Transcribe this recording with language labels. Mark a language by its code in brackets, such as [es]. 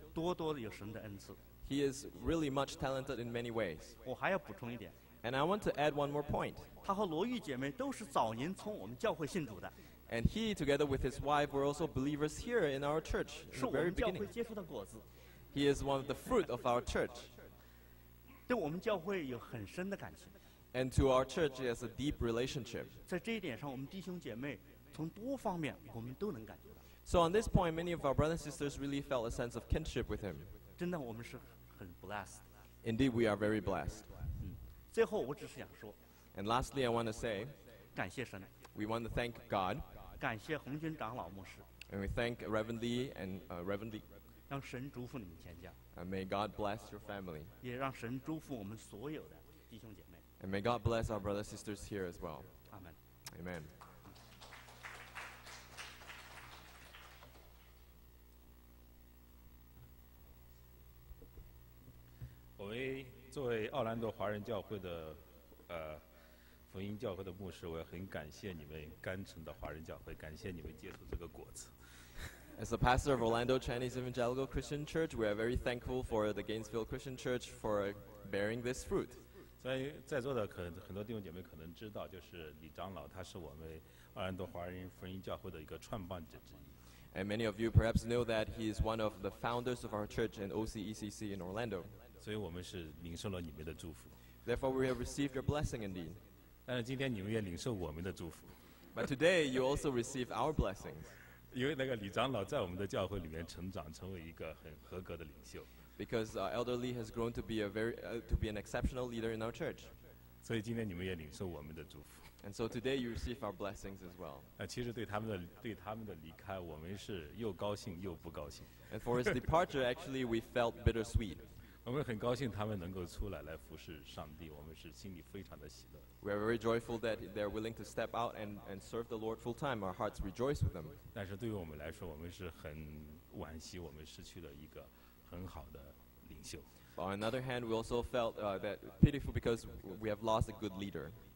[zh] 多多的有神的恩赐。 [en] He is really much talented in many ways. [zh] 我还要补充一点。 [en] And I want to add one more point. [zh] 他和罗玉姐妹都是早年从我们教会信主的。 [en] And he, together with his wife, were also believers here in our church in the very beginning. [zh] 是我们教会结出的果子。 [en] He is one of the fruit of our church. [zh] 对我们教会有很深的感情。 [en] And to our church, it has a deep relationship. [zh] 在这一点上，我们弟兄姐妹从多方面我们都能感觉到。 [en] So on this point, many of our brothers and sisters really felt a sense of kinship with him. [zh] 真的，我们是很 blessed. [en] Indeed, we are very blessed. [zh] 最后，我只是想说。 [en] And lastly, I want to say. [zh] 感谢神。 [en] We want to thank God. [zh] 感谢洪军长老牧师。 [en] And we thank Reverend Lee and Reverend Lee. [zh] 让神祝福你们全家。 [en] And may God bless your family. [zh] 也让神祝福我们所有的弟兄姐妹。 [en] And may God bless our brothers and sisters here as well. Amen. Amen. [zh] 我为作为奥兰多华人教会的福音教会的牧师，我很感谢你们甘城的华人教会，感谢你们结出这个果子。 [en] As the pastor of Orlando Chinese Evangelical Christian Church, we are very thankful for the Gainesville Christian Church for bearing this fruit. [zh] 在座的很多弟兄姐妹可能知道，就是李长老，他是我们奥兰多华人福音教会的一个创办者之一。 [en] And many of you perhaps know that he is one of the founders of our church and OCECC in Orlando. [zh] 所以我们是领受了你们的祝福。 [en] Therefore, we have received your blessing indeed. [zh] 但是今天你们也领受我们的祝福。 [en] But today you also receive our blessings. [zh] 因为那个李长老在我们的教会里面成长，成为一个很合格的领袖。 [en] because Elder Lee has grown to be an exceptional leader in our church. [zh] 所以今天你们也领受我们的祝福。 [en] And so today you receive our blessings as well. [zh] 其实对他们的离开，我们是又高兴又不高兴。 [en] And for his departure, actually, we felt bittersweet. [zh] 我们很高兴他们能够出来来服侍上帝，我们是心里非常的喜乐。 [en] We are very joyful that they are willing to step out and serve the Lord full time. Our hearts rejoice with them. [zh] 但是对于我们来说，我们是很惋惜，我们失去了一个很好的领袖。 [en] But on another hand, we also felt that pitiful because we have lost a good leader.